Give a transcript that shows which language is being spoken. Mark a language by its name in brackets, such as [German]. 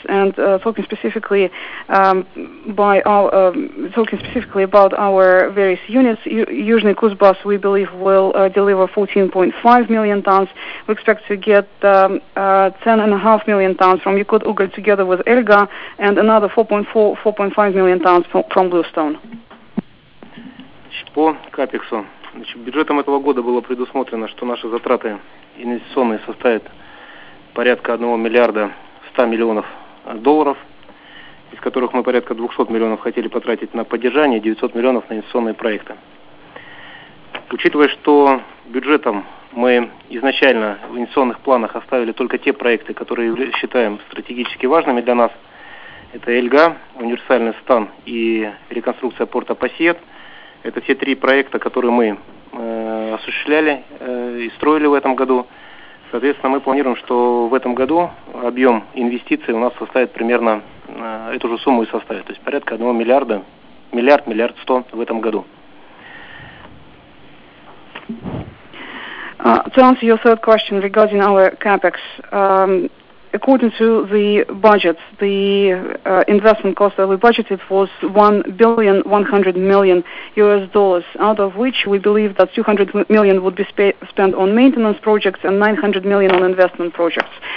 [English] And talking specifically about our various units, Yuzhny Kuzbass, we believe, will deliver 14.5 million tons. We expect to get 10.5 million tons from Yakut-Ugal together with Elga, and another 4.5 million tons from Bluestone. [Russian] По капексу. Значит, бюджетом этого года было предусмотрено, что наши затраты инвестиционные составят порядка 1 миллиарда 100 миллионов долларов, из которых мы порядка 200 миллионов хотели потратить на поддержание, 900 миллионов на инвестиционные проекты. Учитывая, что бюджетом мы изначально в инвестиционных планах оставили только те проекты, которые считаем стратегически важными для нас, это Эльга, универсальный стан и реконструкция порта Пассиет, это все три проекта, которые мы осуществляли и строили в этом году. Соответственно, мы планируем, что в этом году объем инвестиций у нас составит примерно эту же сумму и составит. То есть порядка 1 миллиарда, миллиард сто в этом году. [English] To answer your third question regarding our CAPEX, According to the budget, the investment cost that we budgeted was $1.1 billion, out of which we believe that $200 million would be spent on maintenance projects and $900 million on investment projects.